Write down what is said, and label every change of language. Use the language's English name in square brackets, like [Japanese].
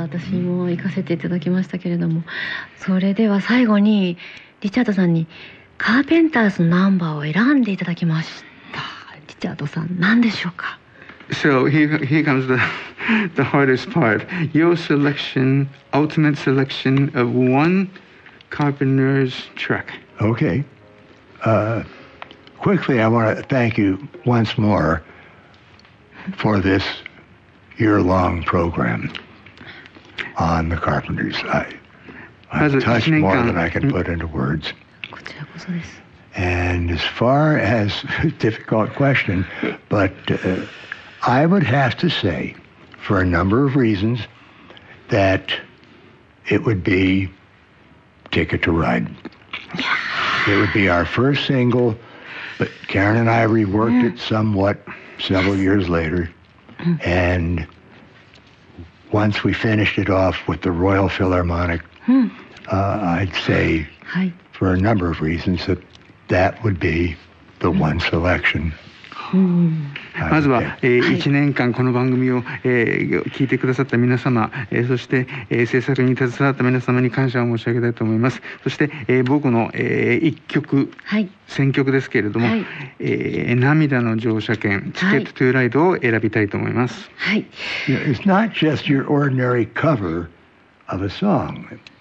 [Japanese] 私も行かせていただきましたけれども、それでは最後にリチャードさんにカーペンターズのナンバーを選んでいただきました。リチャードさん、何でしょうか？ [English] So here comes the hardest part. Your selection, ultimate selection of one Carpenter's track. Okay. Quickly, I want to thank you once more for this year-long program on the Carpenters. I've touched more than I can put into words. And as far as a difficult question, but I would have to say, for a number of reasons, that it would be Ticket to Ride. Yeah. It would be our first single, but Karen and I reworked it somewhat several years later. And once we finished it off with the Royal Philharmonic, I'd say, for a number of reasons, that that would be the one selection. [Japanese] まずは、1年間この番組を、聞いてくださった皆様、そして、制作に携わった皆様に感謝を申し上げたいと思います。そして、僕の、一曲、選曲ですけれども、涙の乗車券、チケットトゥーライドを選びたいと思います。 [English] It's not just your ordinary cover of a song.